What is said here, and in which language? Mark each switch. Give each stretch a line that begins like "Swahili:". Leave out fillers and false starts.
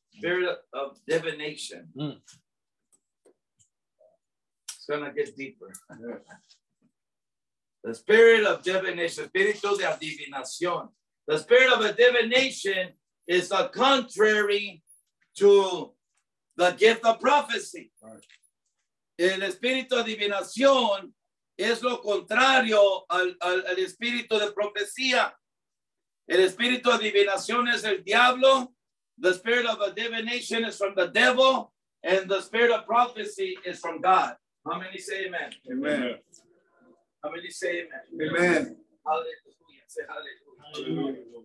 English: Spirit of divination. Mm. It's going to get deeper. The spirit of divination.
Spanish: Espíritu de adivinación.
English: The spirit of a divination is a contrary to the gift of prophecy.
Spanish: El espíritu de adivinación es lo contrario al espíritu de profecía. El espíritu de adivinación es el diablo.
English: The spirit of a divination is from the devil. And the spirit of prophecy is from God. How many say amen? Amen. How many say amen? Amen. Hallelujah. Say hallelujah.